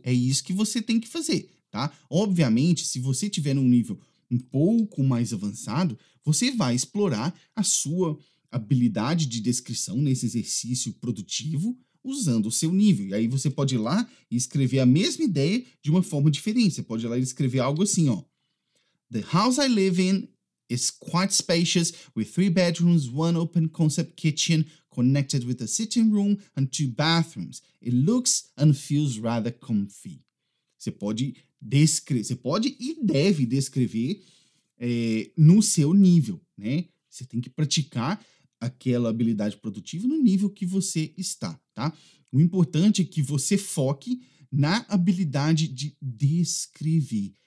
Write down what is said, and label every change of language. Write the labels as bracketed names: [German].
[Portuguese] É isso que você tem que fazer, tá? Obviamente, se você tiver num nível um pouco mais avançado, você vai explorar a sua habilidade de descrição nesse exercício produtivo usando o seu nível. E aí você pode ir lá e escrever a mesma ideia de uma forma diferente. Você pode ir lá e escrever algo assim, ó. [English] The house I live in is quite spacious, with 3 bedrooms, 1 open concept kitchen, connected with a sitting room and 2 bathrooms. It looks and feels rather comfy. [Portuguese] Você pode e deve descrever no seu nível, né? Você tem que praticar aquela habilidade produtiva no nível que você está, tá? O importante é que você foque na habilidade de descrever.